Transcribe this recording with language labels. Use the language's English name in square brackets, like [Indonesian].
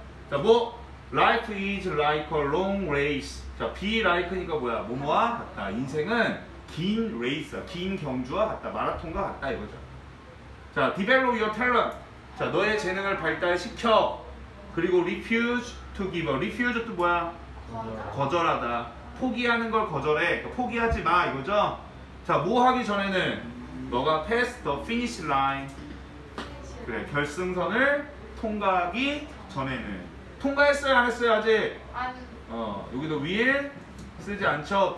[Korean] 자, 뭐? [English] Life is like a long race. [Korean] 자, be like니까 뭐야? 뭐뭐와 같다. 인생은? 긴 레이스, 긴 경주와 같다. 마라톤과 같다 이거죠. 자, [English] develop your talent. [Korean] 자, 너의 재능을 발달시켜. 그리고 [English] refuse to give up. refuse to [Korean] 뭐야? 거절하다. 포기하는 걸 거절해. 그러니까 포기하지 마 이거죠. 자, 뭐 하기 전에는 너가 [English] pass the finish line. [Korean] 그래, 결승선을 통과하기 전에는. 통과했어요? 안 했어요? 아직? 아직. 여기도 will 쓰지 않죠?